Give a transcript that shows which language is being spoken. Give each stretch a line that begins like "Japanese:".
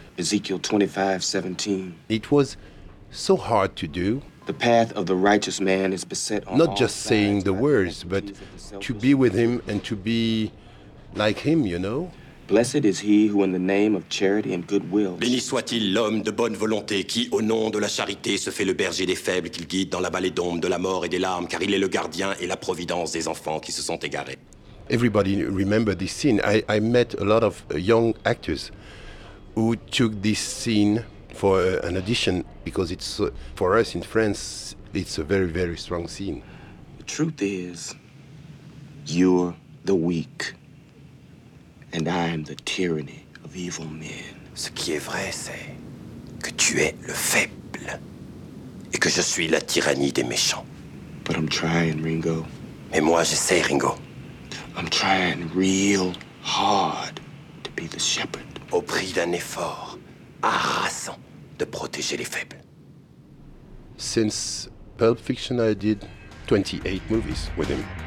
English: Ezekiel 25:17. It was so hard to do. The path of the righteous man is beset on not just saying the words, but to be with him and to be like him, you know? Blessed is he who in the name of charity and goodwill...
French: Béni soit-il l'homme de bonne volonté qui, au nom de la charité, se fait le berger des faibles qu'il guide dans la vallée d'ombre de la mort et des larmes, car il est le gardien et la providence des enfants qui se sont égarés.
English: Everybody remember this scene. I met a lot of young actors who took this scene for an audition, because it's for us in France, it's a very, very strong scene. The truth is, you're the weak, and I am the tyranny of evil men.
French: Ce qui est vrai, c'est que tu es le faible, et que je suis la tyrannie des méchants.
English: But I'm trying, Ringo.
French: Mais moi, j'essaie, Ringo.
English: I'm trying real hard to be the shepherd.
French: Au prix d'un effort harassant. De protéger les faibles.
English: Since Pulp Fiction, I did 28 movies with him.